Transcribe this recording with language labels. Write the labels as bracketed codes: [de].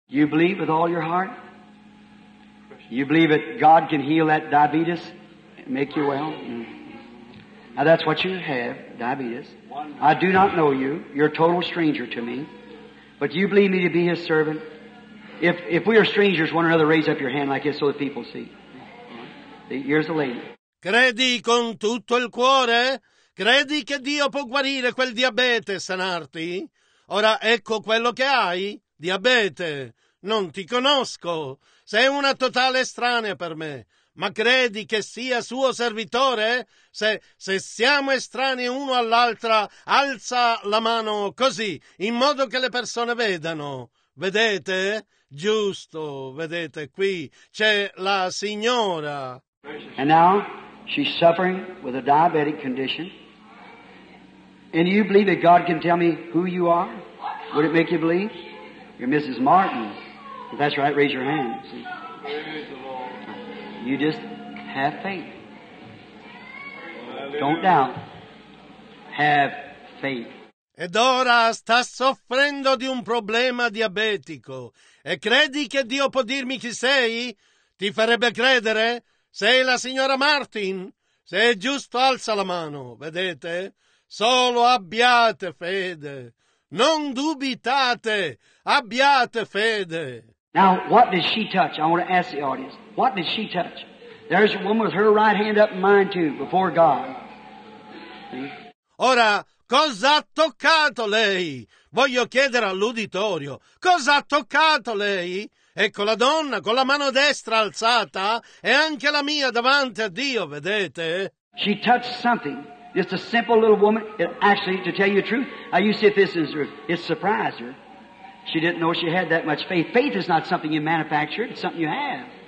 [en] You believe with all your heart? You believe that God can heal that diabetes and make you well? Mm-hmm. Now that's what you have, diabetes. I do not know you. You're a total stranger to me. But you believe me to be his servant? If we are strangers, one another, raise up your hand like this so that people see. Here's the lady. [it] Credi con tutto il cuore? Credi che Dio può guarire quel diabete e sanarti? Ora ecco quello che hai. Diabete, non ti conosco, sei una totale estranea per me, ma credi che sia suo servitore? Se siamo estranei uno all'altra, alza la mano così, in modo che le persone vedano. Vedete? Giusto, vedete, qui c'è la signora. [en] And now she's suffering with a diabetic condition. And you believe that God can tell me who you are? Would it make you believe? You're Mrs. Martin. If that's right, raise your hand. See? You just have faith. Don't doubt. Have faith. [it] Ed ora sta soffrendo di un problema diabetico. E credi che Dio può dirmi chi sei? Ti farebbe credere? Sei la signora Martin? Se è giusto, alza la mano, vedete? Solo abbiate fede. Non dubitate, abbiate fede. [en] Now, what did she touch? I want to ask the audience. What did she touch? There's a woman with her right hand up in mine too, before God. See? [it] Ora, cosa ha toccato lei? Voglio chiedere all'uditorio. Cosa ha toccato lei? Ecco la donna con la mano destra alzata e anche la mia davanti a Dio, vedete? [en] She touched something. Just a simple little woman. It actually, to tell you the truth, I used to say it surprised her. She didn't know she had that much faith. Faith is not something you manufacture, it's something you have.